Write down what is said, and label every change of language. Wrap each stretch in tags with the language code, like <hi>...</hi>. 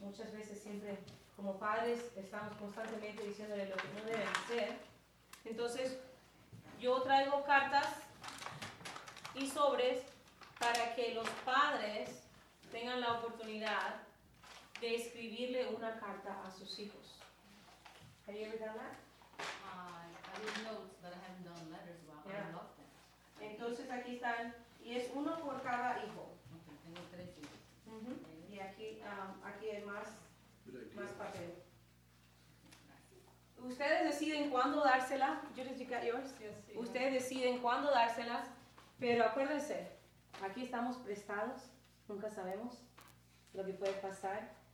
<es>Muchas veces siempre, como padres, estamos constantemente diciéndole lo que no deben hacer. Entonces, yo traigo cartas y sobres para que los padres tengan la oportunidad de escribirle una carta a sus hijos.</es> <en>Have you ever done that? I have notes, but I haven't done letters. Well, yeah. I love them.</en> <es>Entonces aquí están, y es uno por cada hijo. Okay, tengo 3 hijos. Mm-hmm. Okay. Y aquí hay más papel. Ustedes deciden cuándo dársela.</es> <en>Judith, you got yours? Yes,</en> <es>sí. Ustedes deciden cuándo dárselas, pero acuérdense, aquí estamos prestados, nunca sabemos lo que puede pasar.</es>